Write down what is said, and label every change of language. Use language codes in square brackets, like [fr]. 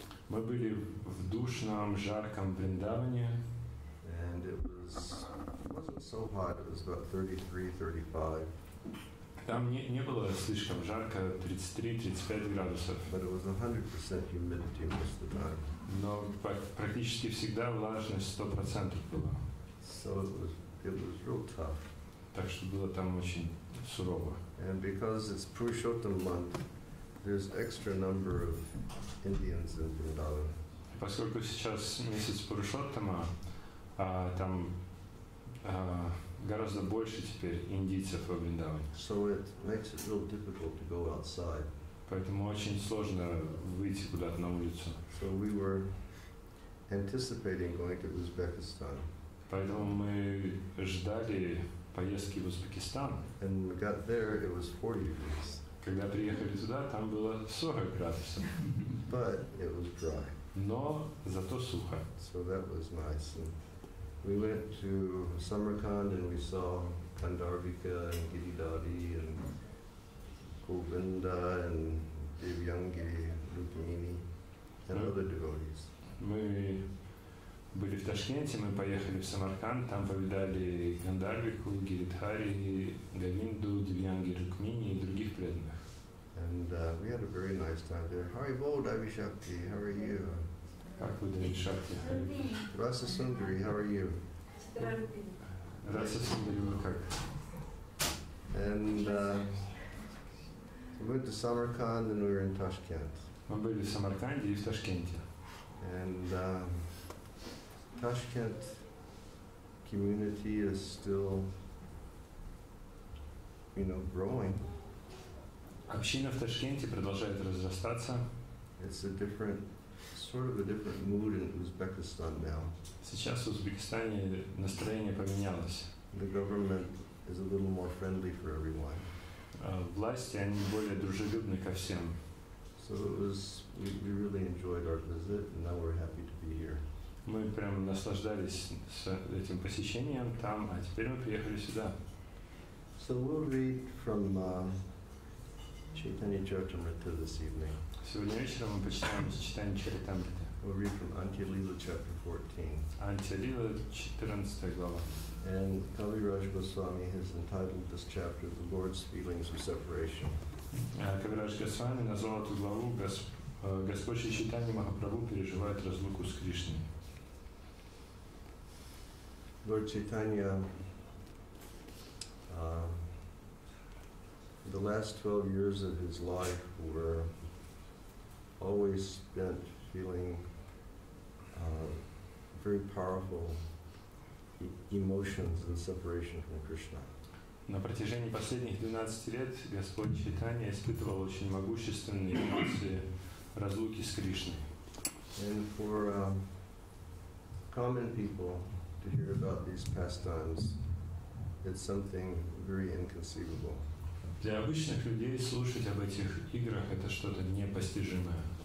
[ru] Мы были в душном, жарком Вриндаване. [en] And it wasn't so hot. It was about 33-35. [ru] Там не было слишком жарко, 33-35 градусов. [en] But it was 100% humidity most of the time. [ru] Но практически всегда влажность 100% была. [en] So it was real tough. [ru] Так что было там очень сурово. [en] And because it's Purushottam month, there's extra number of Indians in Vrindavan. [ru] Поскольку сейчас месяц Пурушоттама, там гораздо больше теперь индийцев во Вриндаване. [en] So it makes it real difficult to go outside. [ru] Поэтому очень сложно выйти куда-то на улицу. [en] So we were anticipating going to Uzbekistan. [ru] Поэтому мы ждали поездки в Узбекистан. [en] And we got there, it was 40 degrees. [ru] Когда приехали туда, там было 40 градусов. [en] But it was dry. [ru] Но зато сухо. [en] So that was nice. And we went to Samarkand and we saw Kandarvika and Giridhari and Govinda and Devyangiri, Rukmini, and other devotees. [ru] Мы были в Ташкенте, мы поехали в Самарканд, там повидали Гандарвику, Гиридхари, Говинду, Девьянгири, Рукмини и других преданных. [en] And we had a very nice time there. Hari Bol, Devi Shakti, how are you? [ru] Как вы, Devi Shakti? [en] Rasa Sundari, how are you? [ru] Раса Сундарева как? [en] And we went to Samarkand and we were in Tashkent. [ru] Мы были в Самарканде и в Ташкенте. [en] And Tashkent community is still, you know, growing. [ru] Община в Ташкенте продолжает разрастаться. [en] It's a different, sort of a different mood in Uzbekistan now. [ru] Сейчас в Узбекистане настроение поменялось. [en] The government is a little more friendly for everyone. [ru] Власти, они более дружелюбны ко всем. [en] So it was, we really enjoyed our visit, and now we're happy to be here. [ru] Мы прям наслаждались этим посещением там, а теперь мы приехали сюда. [en] So we'll read from Chaitanya Charitamrita this evening. [ru] Сегодня вечером мы почитаем Чайтанья Чаритамрита. [en] We'll read from Антилила, chapter 14. [ru] Антилила, 14 глава. [en] And Kaviraj Goswami has entitled this chapter "The Lord's Feelings of Separation." [ru] Kaviraj Goswami назвал эту главу "Господь Чайтанья Махапрабху переживает разлуку с Кришной." [en] Lord Chaitanya, the last 12 years of his life were always spent feeling very powerful emotions and separation from Krishna. [ru] На протяжении последних 12 лет Господь Чайтанья испытывал очень могущественные эмоции разлуки с Кришной. [en] And for common people to hear about these pastimes, it's something very inconceivable. [ru] Для обычных людей слушать об этих играх это что-то непостижимое.